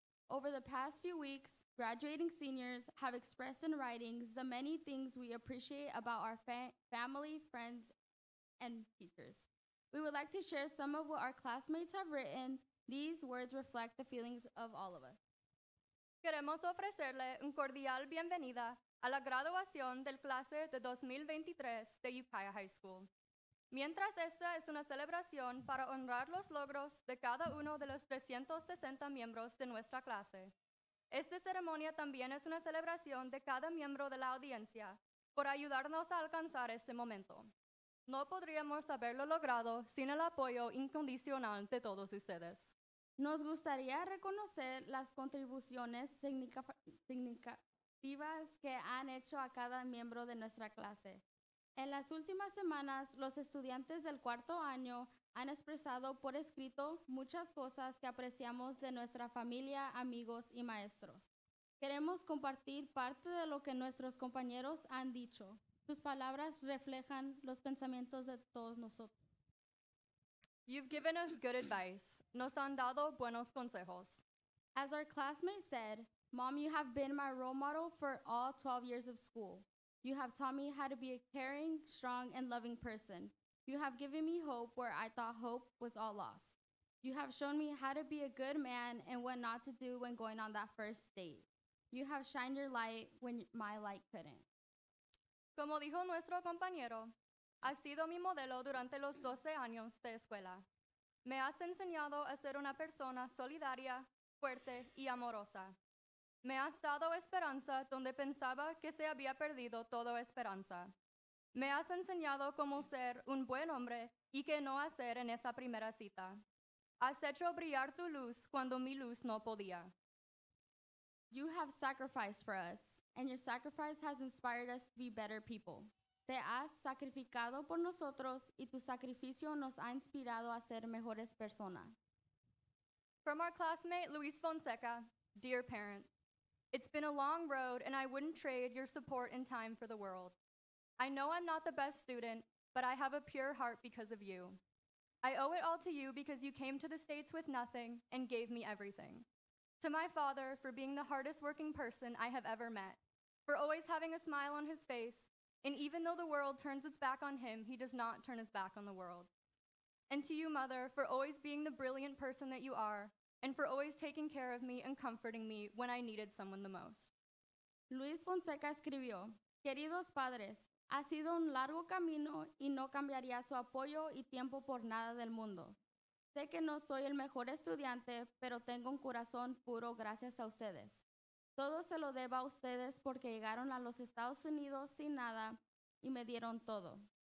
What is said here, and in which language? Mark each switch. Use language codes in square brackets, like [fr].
[en] Over the past few weeks, graduating seniors have expressed in writings the many things we appreciate about our family, friends, and teachers. We would like to share some of what our classmates have written. These words reflect the feelings of all of us. [es] Queremos ofrecerle un cordial bienvenida a la graduación del clase de 2023 de Ukiah High School. Mientras esta es una celebración para honrar los logros de cada uno de los 360 miembros de nuestra clase, esta ceremonia también es una celebración de cada miembro de la audiencia por ayudarnos a alcanzar este momento. No podríamos haberlo logrado sin el apoyo incondicional de todos ustedes. Nos gustaría reconocer las contribuciones significativas que han hecho a cada miembro de nuestra clase. En las últimas semanas, los estudiantes del cuarto año han expresado por escrito muchas cosas que apreciamos de nuestra familia, amigos y maestros. Queremos compartir parte de lo que nuestros compañeros han dicho. Sus palabras reflejan los pensamientos de todos nosotros. [en] You've given us good advice. Nos han dado buenos consejos. As our classmate said, Mom, you have been my role model for all 12 years of school. You have taught me how to be a caring, strong, and loving person. You have given me hope where I thought hope was all lost. You have shown me how to be a good man and what not to do when going on that first date. You have shined your light when my light couldn't. [es] Como dijo nuestro compañero, has sido mi modelo durante los 12 años de escuela. Me has enseñado a ser una persona solidaria, fuerte y amorosa. Me has dado esperanza donde pensaba que se había perdido toda esperanza. Me has enseñado cómo ser un buen hombre y qué no hacer en esa primera cita. Has hecho brillar tu luz cuando mi luz no podía. [en] You have sacrificed for us, and your sacrifice has inspired us to be better people. [es] Te has sacrificado por nosotros y tu sacrificio nos ha inspirado a ser mejores personas. [en] From our classmate Luis Fonseca, dear parent, it's been a long road and I wouldn't trade your support and time for the world. I know I'm not the best student, but I have a pure heart because of you. I owe it all to you because you came to the States with nothing and gave me everything. To my father for being the hardest working person I have ever met, for always having a smile on his face, and even though the world turns its back on him, he does not turn his back on the world. And to you, mother, for always being the brilliant person that you are, and for always taking care of me and comforting me when I needed someone the most. [es] Luis Fonseca escribió, Queridos padres, ha sido un largo camino y no cambiaría su apoyo y tiempo por nada del mundo. Sé que no soy el mejor estudiante, pero tengo un corazón puro gracias a ustedes. Todo se lo debo a ustedes porque llegaron a los Estados Unidos sin nada y me dieron todo.